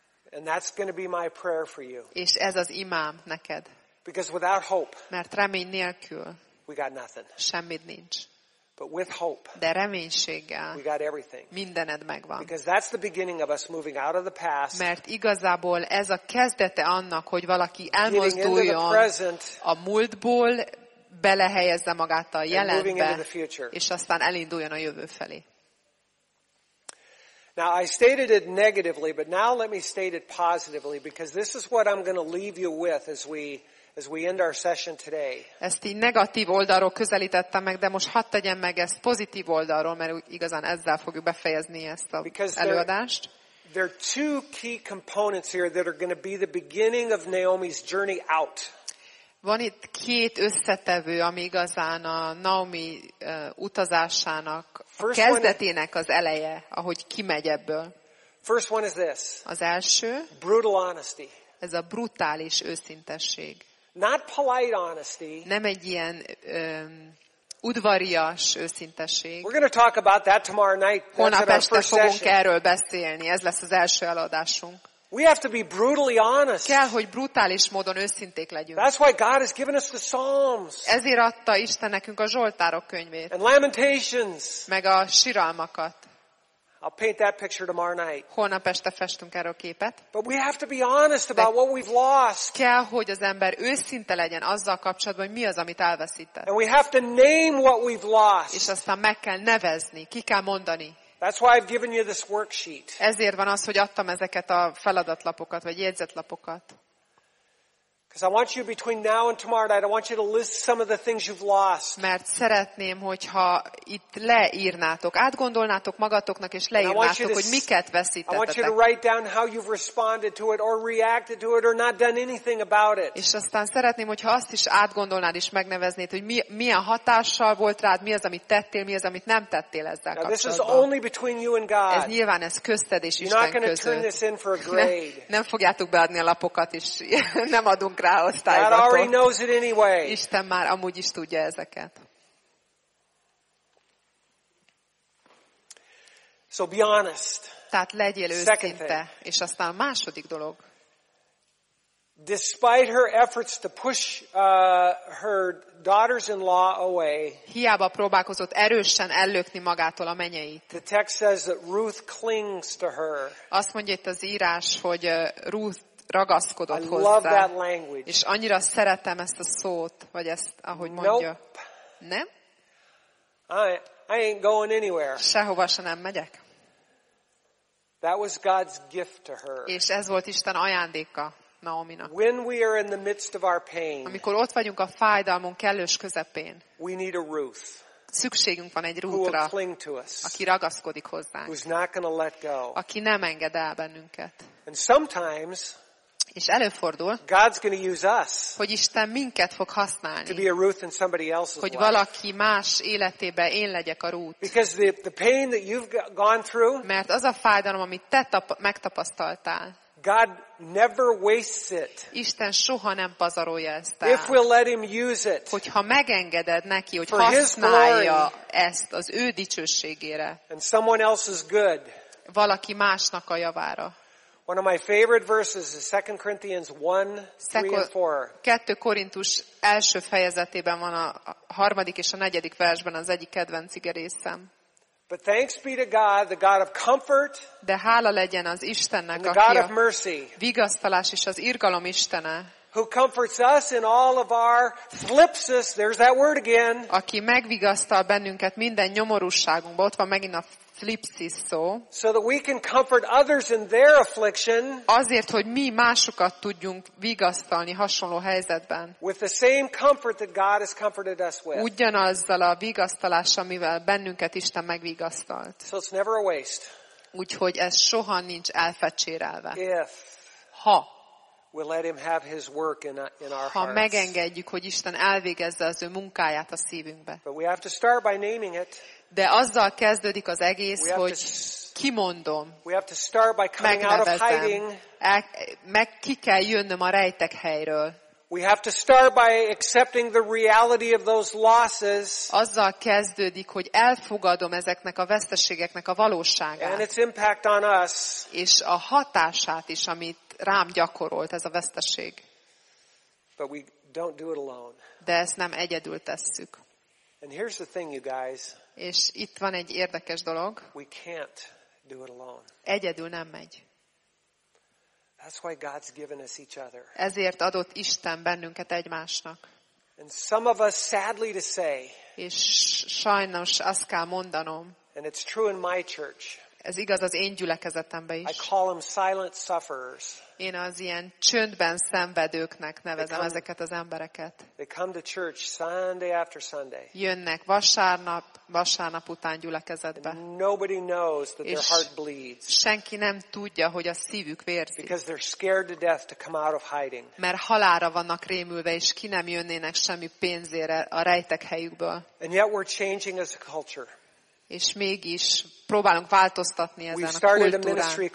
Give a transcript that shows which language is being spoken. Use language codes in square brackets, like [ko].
[en] And that's going to be my prayer for you. [hu] És ez az imám neked. [en] Because without hope. [hu] Mert remény nélkül. [en] We got nothing. [hu] Semmit nincs. [en] But with hope. [hu] De reménységgel. [en] We got everything. [hu] Mindened megvan. [en] Because that's the beginning of us moving out of the past. [hu] Mert igazából ez a kezdete annak, hogy valaki elmozduljon a múltból, belehelyezze magát a jelenbe, és aztán elinduljon a jövő felé. [en] Now I stated it negatively, but now let me state it positively because this is what I'm going to leave you with as we end our session today. [hu] Ezt így negatív oldalról közelítettem meg, de most hadd tegyem meg ezt pozitív oldalról, mert igazán ezzel fogjuk befejezni ezt a előadást. [en] There are two key components here that are going to be the beginning of Naomi's journey out. [hu] Van itt két összetevő, ami igazán a Naomi utazásának a kezdetének az eleje, ahogy kimegy ebből. [en] First one is this. [hu] Az első. [en] Brutal honesty. [hu] Ez a brutális őszintesség. [en] Not polite honesty. [hu] Nem egy ilyen udvarias őszintesség. [en] We're going to talk about that tomorrow night. [hu] Holnap este fogunk erről beszélni. Ez lesz az első előadásunk. [en] We have to be brutally honest. [hu] Kell, hogy brutális módon őszinték legyünk. [en] That's why God has given us the Psalms. [hu] Ezért adta Isten nekünk a Zsoltárok könyvét. [en] And Lamentations. [hu] Meg a Siralmakat. [en] I'll paint that picture tomorrow night. [hu] Holnap este festünk erről képet. [en] But we have to be honest about what we've lost. [hu] Kell, hogy az ember őszinte legyen azzal kapcsolatban, hogy mi az, amit elveszített. [en] And we have to name what we've lost. [hu] És aztán meg kell nevezni, ki kell mondani. [en] That's why I've given you this worksheet. [hu] Ezért van az, hogy adtam ezeket a feladatlapokat vagy jegyzetlapokat. [en] Because I want you between now and tomorrow night, I want you to list some of the things you've lost. [hu] Mert szeretném, hogyha itt leírnátok, átgondolnátok magatoknak és leírnátok, hogy miket veszítettetek. [en] I want you to write down how you've responded to it or reacted to it or not done anything about it. [hu] És aztán szeretném, hogyha azt is átgondolnád és megneveznéd, hogy milyen hatással volt rád, mi az, amit tettél, mi az, amit nem tettél ezzel kapcsolatban. [en] This is only between you and God. [hu] Ez nyilván ez közted és Isten között. [en] You're not going to turn this in for a grade. [hu] Nem fogjátok beadni a lapokat és nem adunk. [en] God already knows it anyway. [hu] Isten már amúgy is tudja ezeket. [en] So be honest. [hu] Tehát legyél őszinte, és aztán a második dolog. [en] Despite her efforts to push her daughters-in-law away. [hu] Hiába próbálkozott erősen ellökni magától a menyeit. [en] The text says that Ruth clings to her. [hu] Azt mondja itt az írás, hogy Ruth ragaszkodott hozzá. [en] I love that language. [hu] És annyira szeretem ezt a szót, vagy ezt, ahogy mondja. [en] Nope. [hu] Nem? [en] I ain't going anywhere. [hu] Sehova se nem megyek. [en] That was God's gift to her. [hu] És ez volt Isten ajándéka Naominak. [en] When we are in the midst of our pain, [hu] amikor ott vagyunk a fájdalmunk kellős közepén, [en] we need a Ruth. [hu] Szükségünk van egy Ruthra, aki ragaszkodik hozzánk, [en] who's not gonna let go. [hu] Aki nem enged el bennünket. [en] And sometimes, [hu] és előfordul, [en] God's gonna use us, [hu] hogy Isten minket fog használni, [en] to be a Ruth in somebody else's, [hu] hogy valaki más életében én legyek a Ruth. [en] Because the pain that you've gone through, [hu] mert az a fájdalom, amit te megtapasztaltál, [en] God never wastes it. [hu] Isten soha nem pazarolja ezt el. [en] If we'll let him use it. [hu] Hogyha megengeded neki, hogy használja ezt az ő dicsőségére. [en] And someone else's good. [hu] Valaki másnak a javára. [en] One of my favorite verses is 2 Corinthians 1:3-4. [hu] 2 Korintus első fejezetében van a harmadik és a negyedik versben az egyik kedvenc igerészem. [en] But thanks be to God, the God of comfort. [hu] De hála legyen az Istennek, [en] and the God of mercy. [hu] Vigasztalás és az irgalom Istene. [en] Who comforts us in all of our flipsis? There's that word again. [hu] Aki megvigasztal bennünket minden nyomorúságunkban, ott van megint a flipsis szó. [en] So that we can comfort others in their affliction. [hu] Azért, hogy mi másokat tudjunk vigasztalni hasonló helyzetben. [en] With the same comfort that God has comforted us with. [hu] Ugyanazzal a vigasztalással, amivel bennünket Isten megvigasztalt. [en] So it's never a waste. [hu] Úgyhogy ez soha nincs elfecsérelve. [en] If. [hu] Ha. [en] We'll let him have his work in our hearts. [hu] Ha megengedjük, hogy Isten elvégezze az ő munkáját a szívünkbe. [en] But we have to start by naming it. [hu] De azzal kezdődik az egész, hogy kimondom. [en] We have to start by coming out of hiding. [hu] Meg ki kell jönnöm a rejtek helyről. [en] We have to start by accepting the reality of those losses. [hu] Azzal kezdődik, hogy elfogadom ezeknek a veszteségeknek a valóságát. [en] And its impact on us. [hu] És a hatását is, amit rám gyakorolt ez a veszteség. [en] But we don't do it alone. [hu] De ezt nem egyedül tesszük. [en] And here's the thing, you guys. [hu] És itt van egy érdekes dolog. [en] We can't do it alone. [hu] Egyedül nem megy. [en] That's why God's given us each other. [hu] Ezért adott Isten bennünket egymásnak. [en] And some of us, sadly to say, [hu] és sajnos azt kell mondanom, [en] and it's true in my church, [hu] ez igaz az én gyülekezetemben is. [en] I call them silent sufferers. [hu] Én az ilyen csöndben szenvedőknek nevezem ezeket az embereket. [en] They come to church Sunday after Sunday. [hu] Jönnek vasárnap után gyülekezetbe. [en] And nobody knows that their heart bleeds. [hu] Senki nem tudja, hogy a szívük vérzik. [en] Because they're scared to death to come out of hiding. [hu] Mert halálra vannak rémülve, és ki nem jönnének semmi pénzére a rejtek helyükből. [en] And yet we're changing as a culture. [hu] És mégis próbálunk változtatni ezen a kultúrán.